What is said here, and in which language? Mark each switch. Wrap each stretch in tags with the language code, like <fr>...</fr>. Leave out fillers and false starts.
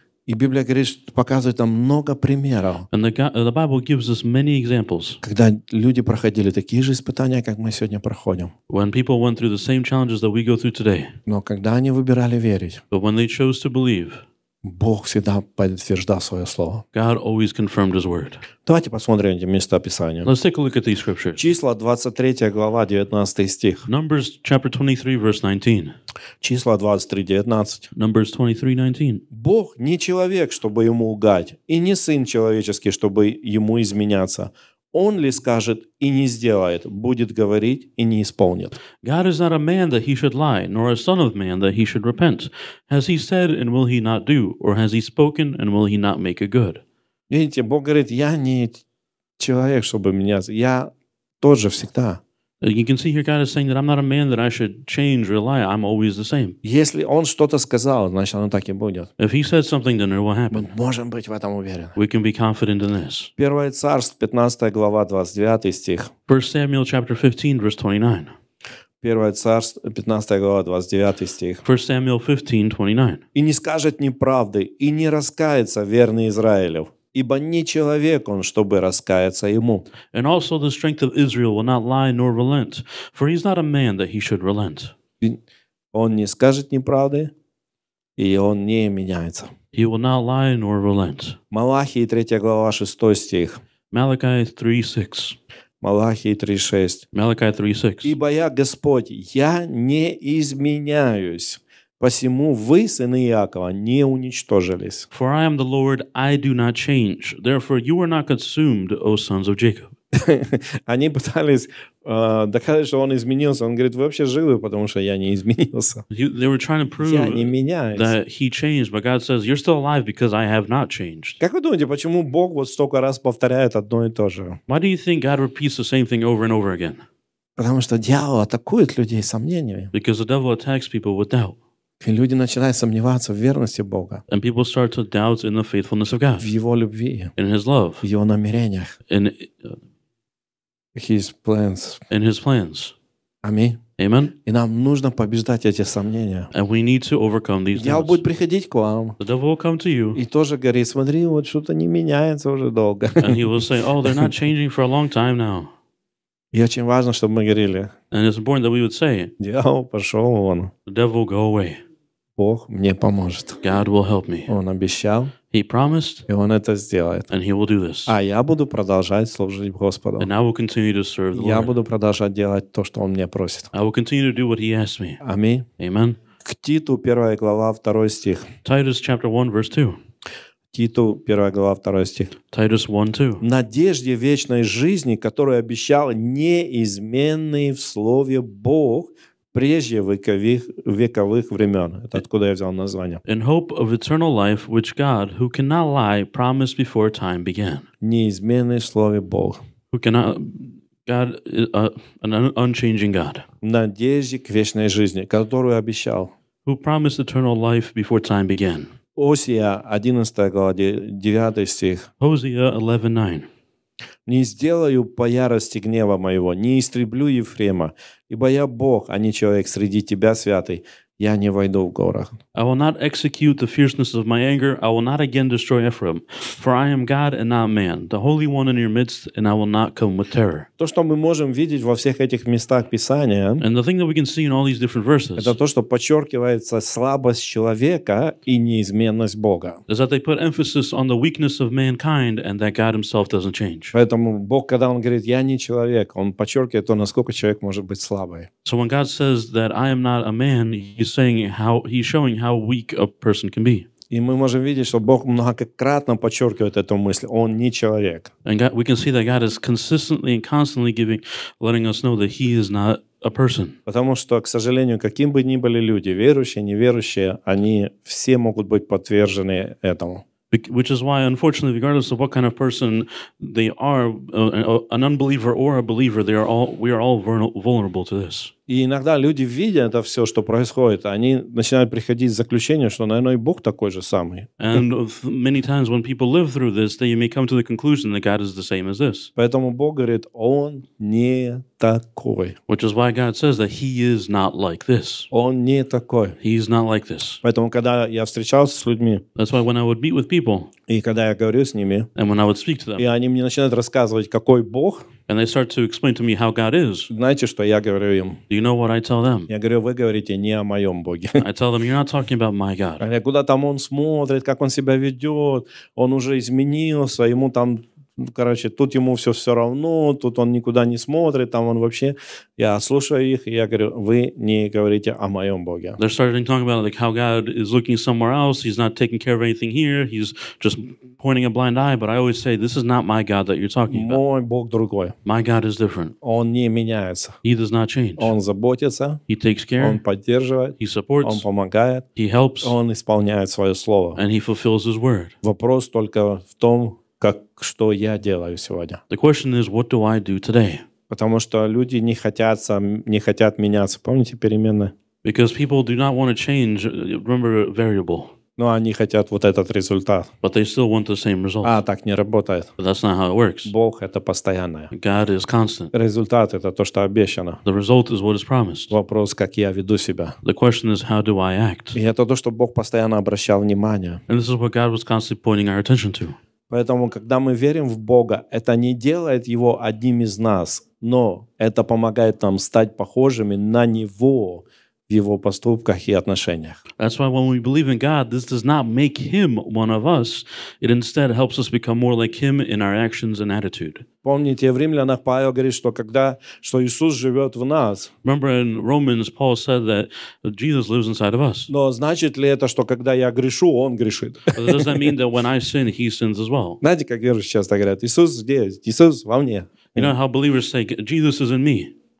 <ru>И Библия говорит, показывает нам много примеров.</ru> <en>And the Bible gives us many examples.</en> <ru>Когда люди проходили такие же испытания, как мы сегодня проходим.</ru> <en>When people went through the same challenges that we go through today.</en> <ru>Но когда они выбирали верить.</ru> <en>But when they chose to believe.</en> <ru>Бог всегда подтверждал свое слово.</ru> <en>God always confirmed His word.</en> <ru>Давайте посмотрим эти места Писания.</ru> <en>Let's take a look at these scriptures.</en> <ru>Числа 23 глава 19 стих.</ru> <en>Numbers chapter 23 verse 19.</en> <ru>Числа 23:19.</ru> <en>Numbers 23:19.</en> <ru>Бог не человек, чтобы ему лгать, и не сын человеческий, чтобы ему изменяться. Он ли скажет и не сделает, будет говорить и не исполнит.</ru> <en>God is not a man that he should lie, nor a son of man that he should repent. Has he said and will he not do, or has he spoken and will he not make a good?</en> <ru>Видите, Бог говорит, я не человек, чтобы меняться, я тоже всегда.</ru> <en>You can see here God is saying that I'm not a man that I should change or lie. I'm always the same.</en> <ru>Если он что-то сказал, значит, оно так и будет.</ru> <en>If he said something, then it will happen.</en> <ru>Мы можем быть в этом уверены.</ru> <en>We can be confident in this.</en> <ru>Первое царство, 15 глава, 29 стих.</ru> <en>First Samuel chapter 15, verse 29.</en> <ru>Первое царство, 15 глава, 29 стих.</ru> <en>1 Samuel 15:29.</en> <ru>«И не скажет неправды, и не раскается верный Израилев, ибо не человек он, чтобы раскаяться ему».</ru> <en>And also the strength of Israel will not lie nor relent, for he is not a man that he should relent.</en> <ru>Он не скажет неправды, и он не меняется.</ru> <en>He will not lie nor relent.</en> <ru>Малахии 3 глава 6 стих.</ru> <en>Malachi 3:6.</en> <ru>Малахии 3:6.</ru> <en>Malachi 3:6.</en> <ru>«Ибо я Господь, я не изменяюсь, посему вы, сыны Иакова, не уничтожились».</ru> <en>For I am the Lord, I do not change. Therefore you are not consumed, O sons of Jacob.</en> <ru>Они пытались доказать, что он изменился. Он говорит, вы вообще живы, потому что я не изменился.</ru> <en>They were trying to prove</en> <ru>я не меняюсь.</ru> <en>That he changed, but God says, you're still alive because I have not changed.</en> <ru>Как вы думаете, почему Бог вот столько раз повторяет одно и то же?</ru> <en>Why do you think God repeats the same thing over and over again?</en> <ru>Потому что дьявол атакует людей сомнениями.</ru> <en>Because the devil attacks people with doubt.</en> <ru>И люди начинают сомневаться в верности Бога.</ru> <en>And people start to doubt in the faithfulness of God.</en> <ru>В его любви.</ru> <en>In his love.</en> <ru>В его намерениях.</ru> <en>In his plans. In his plans.</en> <ru>Аминь.</ru> <en>Amen.</en> <ru>И нам нужно побеждать эти сомнения.</ru> <en>And we need to overcome these doubts.</en> <ru>Дьявол будет приходить к вам.</ru> <en>The devil will come to you.</en> <ru>И тоже говорит, смотри, вот что-то не меняется уже долго.</ru> <en>And he will say, oh, they're not changing for a long time now.</en> <ru>И очень важно, чтобы мы говорили.</ru> <en>And it's important that we would say.</en> <ru>Дьявол пошел вон.</ru> <en>The devil go away.</en> <ru>Бог мне поможет.</ru> <en>God will help me.</en> <ru>Он обещал.</ru> <en>He promised.</en> <ru>И он это сделает.</ru> <en>And he will do this.</en> <ru>А я буду продолжать служить Господу.</ru> <en>And I will continue to serve the</en> <ru>я</ru> <en>Lord.</en> <ru>Буду продолжать делать то, что он мне просит.</ru> <en>I will continue to do what he asks me.</en> <ru>Аминь.</ru> <en>Amen.</en> <ru>К Титу 1 глава 2 стих.</ru> <en>Titus chapter 1 verse 2.</en> <ru>Титу 1 глава 2 стих.</ru> <en>Titus 1 2.</en> <ru>Надежде вечной жизни, которую обещал неизменный в слове Бог прежде вековых времен. Это откуда я взял название.</ru> <en>In hope of eternal life, which God, who cannot lie, promised before time began.</en> <ru>Неизменный в слове Бог.</ru> <en>Who cannot, God, an unchanging God.</en> <ru>Надежде к вечной жизни, которую обещал.</ru> <en>Who promised eternal life before time began.</en> <ru>Осия 11 глава 9 стих.</ru> <en>Hosea 11:9.</en> <ru>«Не сделаю по ярости гнева моего, не истреблю Ефрема, ибо я Бог, а не человек среди тебя, святый, я не войду в горах».</ru> <en>I will not execute the fierceness of my anger, I will not again destroy Ephraim, for I am God and not man, the Holy One in your midst, and I will not come with terror.</en> <ru>То, что мы можем видеть во всех этих местах Писания,</ru> <en>and the thing that we can see in all these different verses,</en> <ru>это то, что подчеркивается слабость человека и неизменность Бога.</ru> <en>Is that they put emphasis on the weakness of mankind and that God himself doesn't change.</en> <ru>Поэтому Бог, когда он говорит, я не человек, он подчеркивает то, насколько человек может быть слабый.</ru> <en>So when God says that I am not a man, he's saying how he's showing how weak a person can be.</en> <ru>И мы можем видеть, что Бог многократно подчеркивает эту мысль. Он не человек.</ru> <en>And God, we can see that God is consistently and constantly giving, letting us know that he is not a person.</en> <ru>Потому что, к сожалению, каким бы ни были люди, верующие, неверующие, они все могут быть подвержены этому.</ru> <en>Which is why, unfortunately, regardless of what kind of person they are, an unbeliever or a believer, they are all, we are all vulnerable to this.</en> <ru>И иногда люди, видя это все, что происходит, они начинают приходить к заключению, что, наверное, и Бог такой же самый.</ru> <en>And many times when people live through this, they may come to the conclusion that God is the same as this.</en> <ru>Поэтому Бог говорит, он не такой.</ru> <en>Which is why God says that he is not like this.</en> <ru>Он не такой.</ru> <en>He is not like this.</en> <ru>Поэтому, когда я встречался с людьми,</ru> <en>that's why when I would meet with people,</en> <ru>и когда я говорю с ними,</ru> <en>and when I would speak to them,</en> <ru>и они мне начинают рассказывать, какой Бог,</ru> <en>and they start to explain to me how God is.</en> <ru>Знаете, что я говорю им?</ru> <en>Do you know what I tell them?</en> <ru>Я говорю, вы говорите не о моем Боге.</ru> <en>I tell them, you're not talking about my God.</en> <ru>А куда там он смотрит, как он себя ведет, он уже изменился, ему там, короче, тут ему все равно, тут он никуда не смотрит, там он вообще... Я слушаю их, и я говорю, вы не говорите о моем Боге.</ru> <en>They're starting to talk about like how God is looking somewhere else, he's not taking care of anything here, he's just pointing a blind eye, but I always say, this is not my God that you're talking about.</en> <ru>Мой Бог другой.</ru> <en>My God is different.</en> <ru>Он не меняется.</ru> <en>He does not change.</en> <ru>Он заботится.</ru> <en>He takes care.</en> <ru>Он поддерживает.</ru> <en>He supports.</en> <ru>Он помогает.</ru> <en>He helps.</en> <ru>Он исполняет свое слово.</ru> <en>And he fulfills his word.</en> <ru>Вопрос только в том, как, что я делаю сегодня.</ru> <en>The question is, what do I do today?</en> <ru>Потому что люди не хотят меняться. Помните перемены?</ru> <en>Because people do not want to change. Remember variable.</en> <ru>Но они хотят вот этот результат.</ru> <en>But they still want the same result.</en> <ru>А так не работает.</ru> <en>But that's not how it works.</en> <ru>Бог это постоянное.</ru> <en>God is constant.</en> <ru>Результат это то, что обещано.</ru> <en>The result is what is promised.</en> <ru>Вопрос, как я веду себя.</ru> <en>The question is, how do I act?</en> <ru>И это то, что Бог постоянно обращал внимание.</ru> <en>And this is what God was constantly pointing our attention to.</en> <ru>Поэтому, когда мы верим в Бога, это не делает Его одним из нас, но это помогает нам стать похожими на Него в Его поступках и отношениях.</ru> <en>That's why when we believe in God, this does not make Him one of us. It instead helps us become more like Him in our actions and attitude.</en> <ru>Помните, в Римлянах Павел говорит, что когда, что Иисус живет в нас.</ru> <en>Remember in Romans, Paul said that Jesus lives inside of us.</en> <ru>Но значит ли это, что когда я грешу, Он грешит?</ru> <en>But does that mean that when I sin, He sins as well?</en> <ru>Знаете, как верующие часто говорят, Иисус здесь, Иисус во мне.</ru> <en>You know how believers say, Jesus is in me.</en>